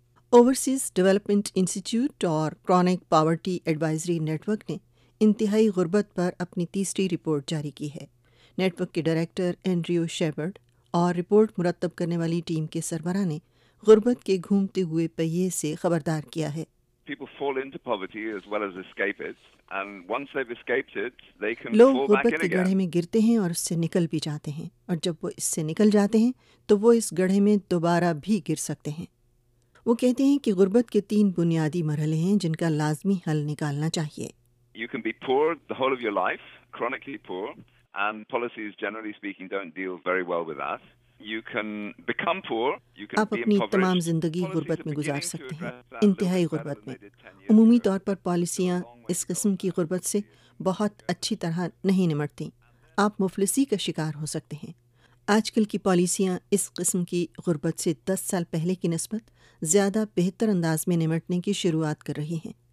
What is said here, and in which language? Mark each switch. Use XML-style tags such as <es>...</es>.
<ur>Overseas development institute اور chronic poverty advisory network نے انتہائی غربت پر اپنی تیسری رپورٹ جاری کی ہے۔ نیٹورک کے ڈائریکٹر اینڈریو شیورڈ اور رپورٹ مرتب کرنے والی ٹیم کے سربراہ نے غربت کے گھومتے ہوئے پہیے سے خبردار کیا ہے۔</ur> <en>People fall into poverty as well as escape it. And once they've escaped it, they can</en> <ur>لوگ</ur> <en>fall</en> <ur>غربت</ur> <en>back</en> <ur>کے گڑھے میں گرتے ہیں اور اس سے نکل بھی جاتے ہیں، اور جب وہ اس سے نکل جاتے ہیں تو وہ اس گڑھے میں دوبارہ بھی گر سکتے ہیں۔ وہ کہتے ہیں کہ غربت کے تین بنیادی مرحلے ہیں جن کا لازمی حل نکالنا چاہیے۔</ur> <en>You can be poor the whole of your life, chronically poor, and policies generally speaking don't deal very well with that. You can become poor, you can</en> <ur>آپ اپنی تمام زندگی غربت میں گزار سکتے ہیں، انتہائی غربت میں۔ عمومی طور پر پالیسیاں اس قسم کی غربت سے بہت اچھی طرح نہیں نمٹتیں، آپ مفلسی کا شکار ہو سکتے ہیں۔ آج کل کی پالیسیاں اس قسم کی غربت سے 10 سال پہلے کی نسبت زیادہ بہتر انداز میں نمٹنے کی شروعات کر رہی ہیں،</ur>